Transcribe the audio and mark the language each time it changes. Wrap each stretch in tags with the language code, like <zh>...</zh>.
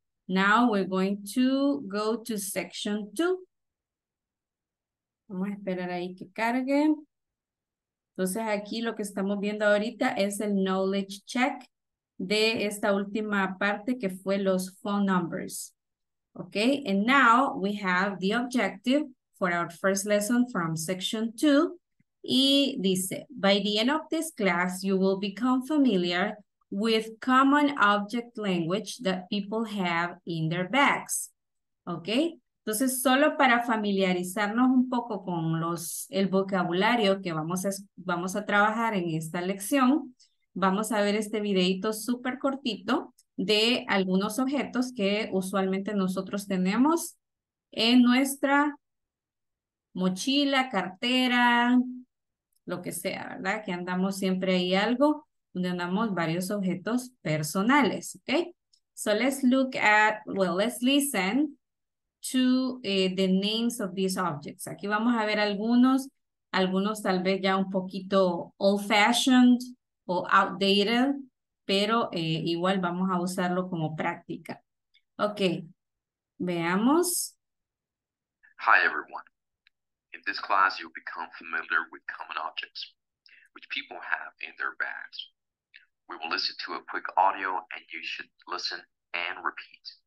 <en>Now we're going to go to section 2.</en> <es>Vamos a esperar ahí que cargue. Entonces aquí lo que estamos viendo ahorita es el knowledge check de esta última parte que fue los phone numbers.</es> <en>Okay, and now we have the objective for our first lesson from section 2.</en> <es>Y dice,</es> <en>by the end of this class, you will become familiar with common object language that people have in their bags.</en> <es>Okay, entonces solo para familiarizarnos un poco con el vocabulario que vamos a trabajar en esta lección, vamos a ver este videito súper cortito de algunos objetos que usualmente nosotros tenemos en nuestra mochila, cartera, lo que sea, ¿verdad? Que andamos siempre ahí algo donde andamos varios objetos personales, ¿ok?</es> <en>So let's look at, well, let's listen to the names of these objects.</en> <es>Aquí vamos a ver algunos tal vez ya un poquito old-fashioned o outdated, pero igual vamos a usarlo como práctica. Ok, veamos.</es> <en>Hi everyone. In this class you'll become familiar with common objects, which people have in their bags. We will listen to a quick audio and you should listen and repeat.</en>